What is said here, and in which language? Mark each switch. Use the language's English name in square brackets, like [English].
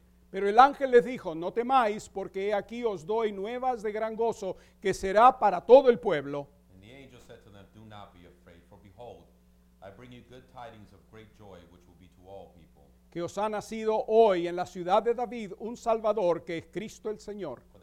[Spanish] Pero el ángel les dijo, no temáis, porque he aquí os doy nuevas de gran gozo, que será para todo el pueblo. [English] And the angel said to them, do not be afraid, for behold, I bring you good tidings of great joy, which will be to all people. [Spanish] que os ha nacido hoy en la ciudad de David un Salvador que es Cristo el Señor.